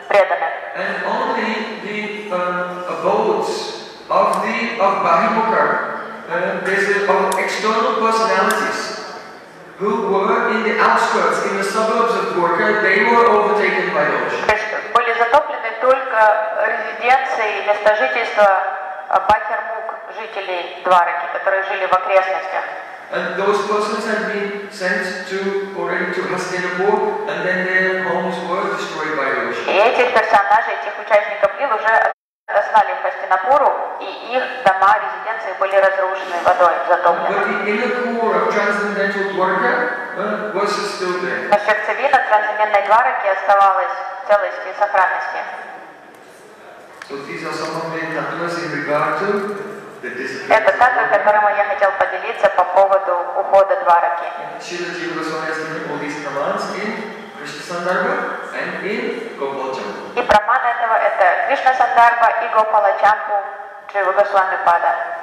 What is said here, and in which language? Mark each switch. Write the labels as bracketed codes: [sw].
[en] And only the abodes of the of Bahimukha, of external personalities who were in the outskirts, in the suburbs of Dwarka, they were overtaken by the ocean. [ru] Были затоплены только резиденции, место жительства Бахермук, жителей Двараки, которые жили в окрестностях. [en] And those persons had been sent to already to Hastinapur, and then their homes were destroyed by the ocean. [ru] И этих персонажей, этих участников лил уже отослали в Хастинапуру, и их дома, резиденции были разрушены водой, затоплены. [en] But the inner core of transcendental Dwarka was still there. [ru] Но сердцевина трансцендентной Двараки оставалась в целости и сохранности. [en] So these are some of the tantras in regard to. [ru] Это тантра, которым я хотел поделиться по поводу ухода Двараки. И праман этого – это Кришна Сандарва и Гопала Чампу Шрила Госвами Пада.